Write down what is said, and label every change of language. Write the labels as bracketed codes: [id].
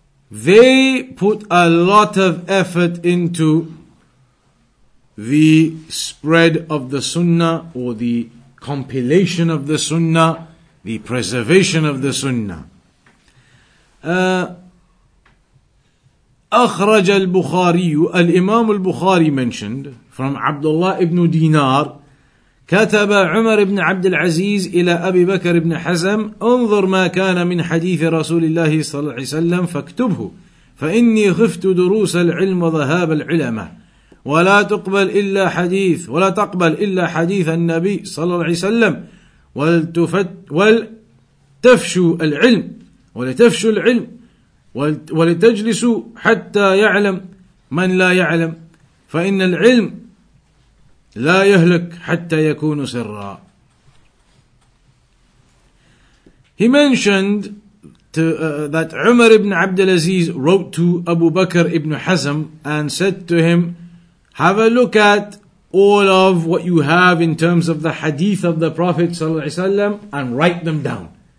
[en] They put a lot of effort into the spread of the Sunnah, or the compilation of the Sunnah, the preservation of the Sunnah. [ar] أخرج البخاري الإمام البخاري [en] mentioned from [ar] Abdullah ibn Dinar كتب عمر بن عبد العزيز إلى أبي بكر بن حزم انظر ما كان من حديث رسول الله صلى الله عليه وسلم فاكتبه فإني خفت دروس العلم وذهاب العلماء ولا تقبل إلا حديث النبي صلى الله عليه وسلم ولتفشوا العلم ولتفشوا العلم ولتجلسوا حتى يعلم من لا يعلم فإن العلم لا يهلك حتى يكون سرا. [en] He mentioned that Umar ibn Abdul Aziz wrote to Abu Bakr ibn Hazm and said to him, have a look at all of what you have in terms of the hadith of the Prophet sallallahu alaihi wasallam and write them down.